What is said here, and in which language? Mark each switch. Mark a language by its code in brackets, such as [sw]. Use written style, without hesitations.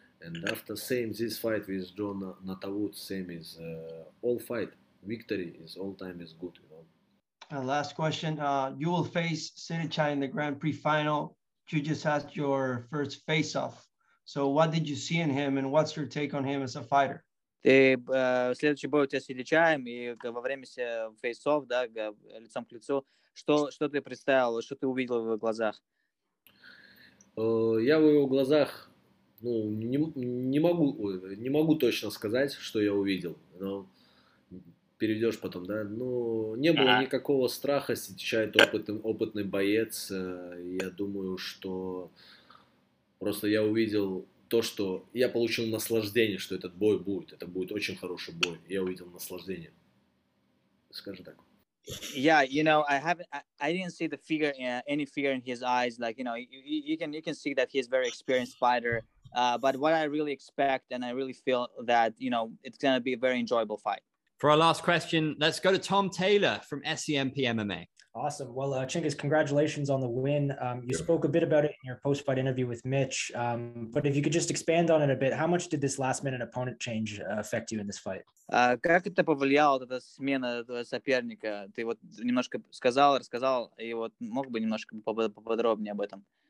[en] And after same, this fight with John Natawood, same is all fight. Victory is all time is good, you know. And last question, you will face City Chai in the Grand Prix final. You just had your first face-off. So what did you see in him and what's your take on him as a fighter? [ru] Ты следующий бой у тебя с Сити Чаем и во время face-off, да, лицом к лицу. Что ты представил, что ты увидел в его глазах? Я в его глазах, ну, не могу точно сказать, что я увидел. Но переведешь потом, да? Ну, не было никакого страха, встречает опытный боец. Я думаю, что просто я увидел то, что я получил наслаждение, что этот бой будет. Это будет очень хороший бой. Я увидел наслаждение. Скажи так. [en] Yeah, you know, I didn't see the fear, any fear in his eyes. Like, you know, you can see that he's a very experienced fighter. But what I really expect, and I really feel that, you know, it's going to be a very enjoyable fight. For our last question, let's go to Tom Taylor from SCMP MMA. Awesome. Well, Chingiz, congratulations on the win. You spoke a bit about it in your post-fight interview with Mitch, but if you could just expand on it a bit, how much did this last-minute opponent change affect you in this fight? [ru] Как это повлияло эта смена соперника? Ты вот немножко сказал, рассказал, и вот мог бы немножко поподробнее об этом.